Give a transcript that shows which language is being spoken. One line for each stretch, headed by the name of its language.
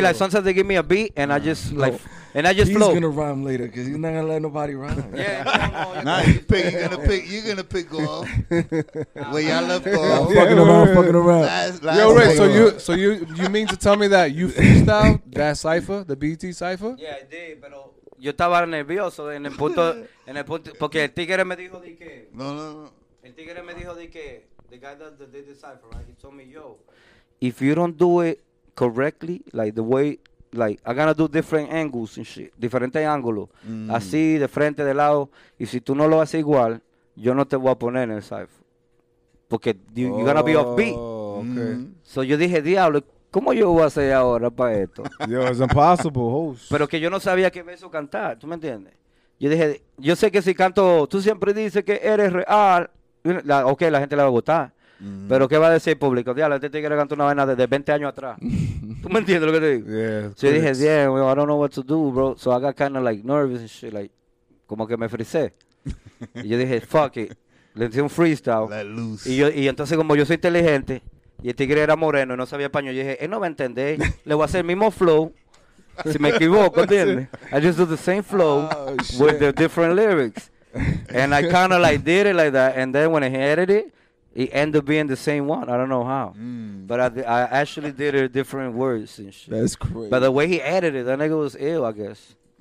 English: Like sometimes they give me a beat and I just like, and I just he's flow. He's going to rhyme later because he's not going to let nobody rhyme. Yeah. you're going to pick off where y'all left off. Yeah, fucking around. Last, yo, Ray, so you mean to tell me that you freestyled that cipher, the BT cipher? Yeah, I did,
Spanish: pero yo estaba nervioso en el punto, porque el tigre me dijo de que. No. El tigre me dijo de que,
English: the guy that did the cipher, right? He told me, yo, if you don't do it correctly, like the way, like, I'm gonna do different angles and shit,
Spanish: diferentes ángulos, así, de frente, de lado, y si tú no lo haces igual, yo no te voy a poner en el cipher.
English: Porque you're gonna be offbeat. Okay. Mm.
Spanish: So yo dije, diablo, ¿cómo yo voy a hacer ahora para esto?
English: Yo, it's impossible, host.
Spanish: Pero que yo no sabía qué verso cantar, ¿tú me entiendes? Yo dije, yo sé que si canto, tú siempre dices que eres real, ok, la gente le va a gustar. Mm-hmm. Pero ¿qué va a decir el público? Dios, la gente tiene que cantar una vaina desde 20 años atrás. ¿Tú me entiendes lo que te digo?
English: Yeah, so dije, damn, well, I don't know what to do, bro. So I got kind of like nervous and shit, like,
Spanish: como que me frisé. Y yo dije, fuck it. Le hice un freestyle.
English: Let loose.
Spanish: Y entonces, como yo soy inteligente, y el tigre era moreno y no sabía español, yo dije, él no va a entender, le voy a hacer el mismo flow. Si me equivoco, ¿entiendes?
English: I just do the same flow with the different lyrics. And I kind of like did it like that. And then when he edited it, it ended up being the same one. I don't know how. Mm. But I actually did it different words and shit. That's crazy. But the way he edited it, that nigga was ill, I guess.